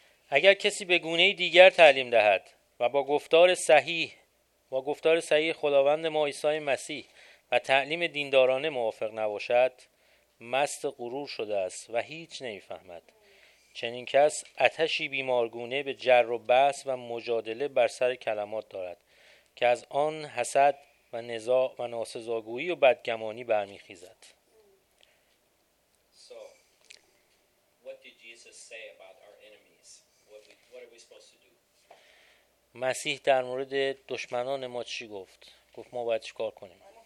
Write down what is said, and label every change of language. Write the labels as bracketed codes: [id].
[fa] اگر کسی به گونه دیگر تعلیم دهد و با گفتار صحیح خداوند ما عیسی مسیح و تعلیم دیندارانه موافق نباشد، مست غرور شده است و هیچ نمیفهمد. چنین کس آتشی بیمارگونه به جر و بحث و مجادله بر سر کلمات دارد که از آن حسد و نزاع و ناسزاگویی و بدگمانی برمیخیزد. [en] So, what did Jesus say about our enemies? What are we supposed to do? [fa] مسیح در مورد دشمنان ما چی گفت؟ گفت ما باید چی کار کنیم؟